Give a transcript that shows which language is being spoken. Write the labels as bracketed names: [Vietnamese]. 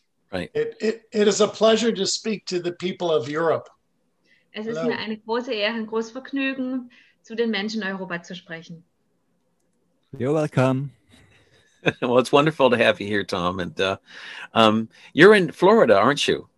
[English] Right. It is a pleasure to speak to the people of Europe. [German] Es ist mir eine große Ehre, ein großes Vergnügen, zu den Menschen in Europa zu sprechen. [English] You're welcome. Well, it's wonderful to have you here, Tom. And you're in Florida, aren't you?